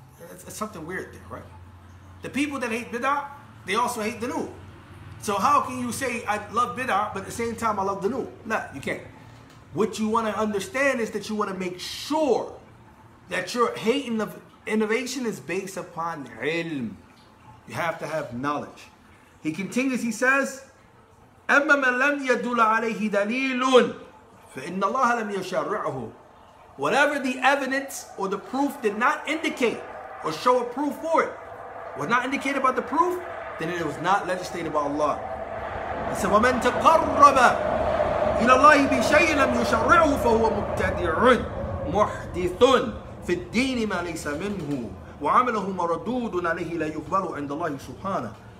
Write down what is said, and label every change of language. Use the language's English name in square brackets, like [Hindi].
[English] It's something weird there, right? The people that hate bid'ah, they also hate the noob. So how can you say I love bid'ah, but at the same time, I love the noob? Nah, you can't. What you want to understand is that you want to make sure that your hating of innovation is based upon ilm. You have to have knowledge. He continues, he says, [Arabic] أَمَّا مَنْ لَمْ يَدُلَ عَلَيْهِ دَلِيلٌ فَإِنَّ اللَّهَ لَمْ يَشَرِعْهُ. [English] Whatever the evidence or the proof did not indicate or show a proof for it, was not indicated by the proof, then it was not legislated by Allah. He said, [Arabic] وَمَنْ تَقَرَّبَ إِلَى اللَّهِ بِشَيْءٍ لَمْ يُشَرِعْهُ فَهُوَ مُبْتَدِعٌ مُحْدِثٌ فِي الدِّينِ مَا لَيْسَ مِنْهُ وَعَمَلَهُ مَرَدُودٌ عَلَيْهِ لَا يُقْبَلُ عِنْدَ اللَّهِ سُبْحَانَهُ.